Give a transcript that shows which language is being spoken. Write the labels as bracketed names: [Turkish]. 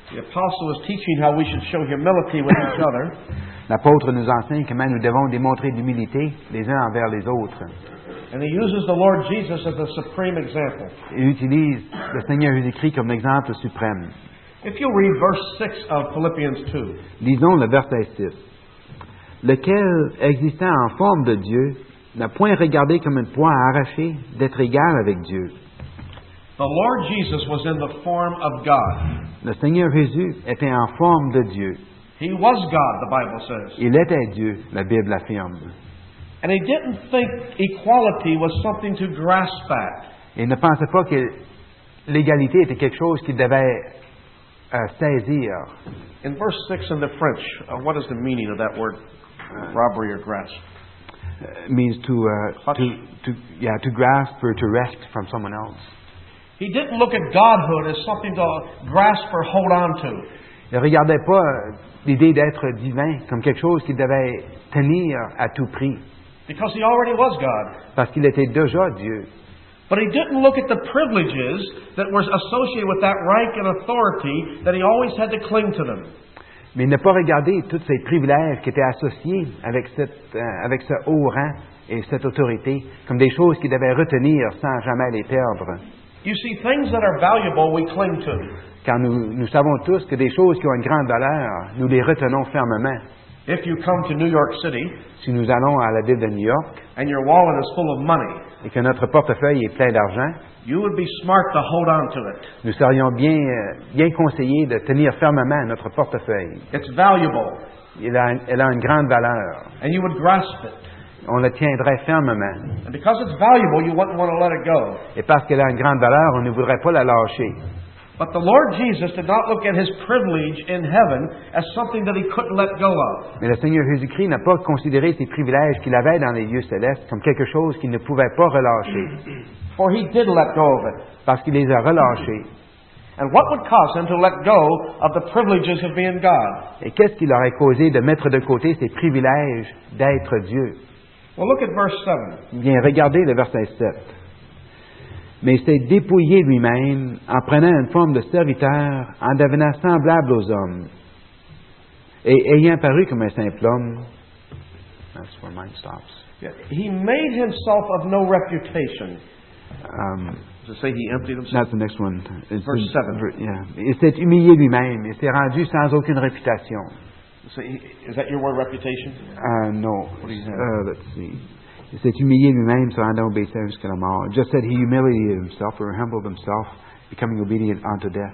[English] Apostle is teaching how we should show humility with each other. [French] L'apôtre nous enseigne comment nous devons démontrer l'humilité les uns envers les autres. [English] And he uses the Lord Jesus as the supreme example. [French] Il utilise le Seigneur Jésus-Christ comme exemple suprême. [English] If you read verse 6 of Philippians 2. [French] Lisons le verset 6. Lequel, existant en forme de Dieu, n'a point regardé comme un poids arraché d'être égal avec Dieu. [English] The Lord Jesus was in the form of God. [French] Le Seigneur Jésus était en forme de Dieu. [English] He was God, the Bible says. [French] Il était Dieu, la Bible affirme. [English] And he didn't think equality was something to grasp at. [French] Il ne pensait pas que l'égalité était quelque chose qu'il devait saisir. [English] In verse 6 in the French, what is the meaning of that word, robbery or grasp? Means to grasp or to wrest from someone else. He didn't look at godhood as something to grasp or hold on to. [French] Il regardait pas l'idée d'être divin comme quelque chose qu'il devait tenir à tout prix. [English] Because he already was God. [French] Parce qu'il était déjà Dieu. [English] But he didn't look at the privileges that were associated with that rank and authority that he always had to cling to them. [French] Mais il n'a pas regardé tous ces privilèges qui étaient associés avec ce haut rang et cette autorité comme des choses qu'il devait retenir sans jamais les perdre. [English] You see, things that are valuable, we cling to. [French] Car nous savons tous que des choses qui ont une grande valeur, nous les retenons fermement. [English] If you come to New York City, [French] si nous allons à la ville de New York, [English] and your wallet is full of money, [French] et que notre portefeuille est plein d'argent, [English] you would be smart to hold on to it. [French] Nous serions bien conseillés de tenir fermement notre portefeuille. [English] It's valuable. [French] Elle a une grande valeur. [English] And you would grasp it. [French] On le tiendrait fermement. [English] And because it's valuable, you wouldn't want to let it go. [French] Et parce qu'elle a une grande valeur, on ne voudrait pas la lâcher. [English] But the Lord Jesus did not look at his privilege in heaven as something that he couldn't let go of. [French] Mais le Seigneur Jésus-Christ n'a pas considéré ses privilèges qu'il avait dans les lieux célestes comme quelque chose qu'il ne pouvait pas relâcher. [English] For he did let go of it. [French] Parce qu'il les a relâchés. [English] And what would cause him to let go of the privileges of being God? [French] Et qu'est-ce qui l'aurait causé de mettre de côté ses privilèges d'être Dieu? [English] Well, look at verse 7. [French] Bien, regardez le verset 7. Mais il s'est dépouillé lui-même en prenant une forme de serviteur, en devenant semblable aux hommes. Et ayant paru comme un simple homme, [English] that's where mine stops. Yeah. He made himself of no reputation. Does it say he emptied himself? That's the next one. It's verse 7. Yeah. [French] Il s'est humilié lui-même. Il s'est rendu sans aucune réputation. [English] So, is that your word, reputation? No. What do you say? Let's see. He said, [French] humilié lui-même, se rendant obéissant jusqu'à la mort. [English] Just said he humiliated himself or humbled himself, becoming obedient unto death.